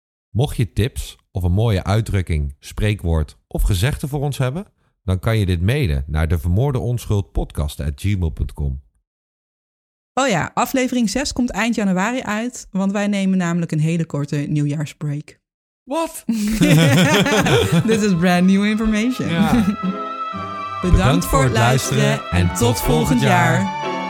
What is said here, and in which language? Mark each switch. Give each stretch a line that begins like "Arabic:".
Dutch: Mocht je tips of een mooie uitdrukking, spreekwoord of gezegde voor ons hebben, dan kan je dit mailen naar devermoordeonschuldpodcast@gmail.com. Oh ja, aflevering 6 komt eind januari uit, want wij nemen namelijk een hele korte nieuwjaarsbreak. Wat?
English: This is brand new information.
Dutch: Ja. Bedankt voor het luisteren en tot volgend jaar.